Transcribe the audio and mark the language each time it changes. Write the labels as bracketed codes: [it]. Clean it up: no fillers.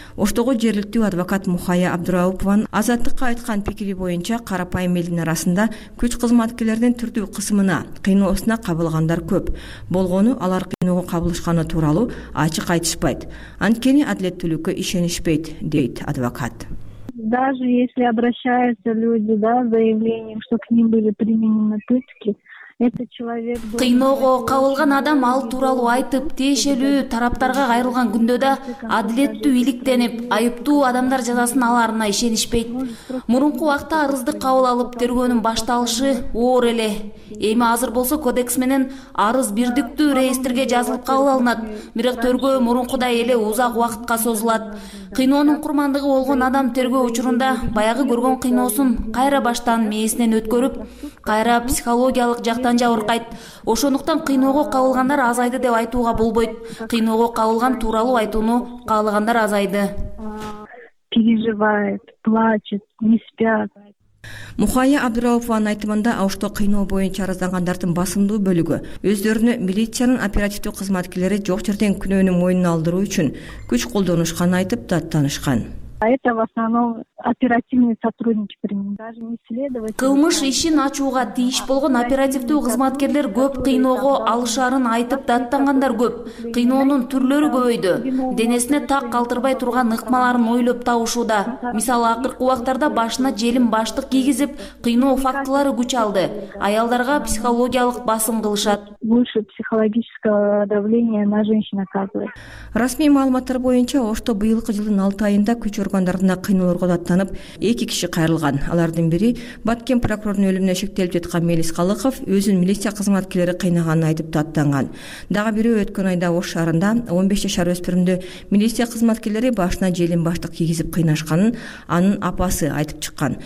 [ky] Оштогу жергиликтүү адвокат Мухая Абдырауповун Азаттыкка айткан пикири боюнча карапайым элдин арасында күч кызматкерлеринин түрдүү кысымына, кыйноосуна кабылгандар көп. Болгону алар кыйноого кабылышканы тууралуу ачык айтышпайт. Анткени адилеттүүлүккө ишенишпейт, дейт адвокат. [ru] Даже если обращаются люди, да, заявлением, что к ним были применены пытки. [ky] Кыйноого кабылган адам ал тууралуу айтып, тиешелүү тараптарга кайрылган күндө да адилеттүү иликтенип, айыптуу адамдар жазасын аларына ишенишпейт. Мурунку убакта арызды кабыл алып, тергөөнүн башталышы оор эле. Эми азыр болсо кодекс менен арыз бирдиктүү реестрге жазылып кабыл алынат. Бирок тергөө мурункудай эле узак убакытка созулат. Кыйноонун курмандыгы болгон адам тергөө учурунда баягы көргөн кыйноосун кайра баштан мээсинен өткөрүп, кайра психологиялык жактан жабыркайт. Ошондуктан кыйноого кабылгандар азайды деп айтууга болбойт. Кыйноого кабылган тууралуу айтууну каалагандар азайды. [ru] Переживает, плачет, не спят. [ky] Мухая Абдыраупованын айтымында Ошто кыйноо боюнча арызданганардын басымдуу бөлүгү өздөрүнө милициянын оперативдүү кызматкерлери жок жерден күнөөнү мойнуна алдыруу үчүн күч колдонушканын айтып даттанышкан. [ru] Это в основном оперативные сотрудники применены, даже не следователи. [ky] Кылмыш ишин ачууга тийиш болгон оперативдүү кызматкерлер көп, кыйноого алышарын айтып даттангандар көп. Кыйноонун түрлөрү көбөйдү. Денесине так калтырбай турган ыкмаларын ойлоп табышууда. Мисалы, акыркы убактарда башына желим баштык кийгизип, кыйноо фактылары күч алды. Аялдарга психологиялык басым кылышат. [ru] Больше психологического давления на женщин оказывает. [ky] Расмий маалыматтар боюнча Ошто быйылкы жылдын 6 айында күч органдарына кыйноолорго даттанып 2 киши кайрылган. Алардын бири Баткент прокурорунун өлүмүнө шектелип жаткан Мелис Калыков өзүн милиция кызматкерлери кыйнаганын айтып даттанган. Дагы бири өткөн айда Ош шаарында 15 жашар өспүрүмдү милиция кызматкерлери башына желим баштык кийгизип кыйнашканын анын апасы айтып чыккан.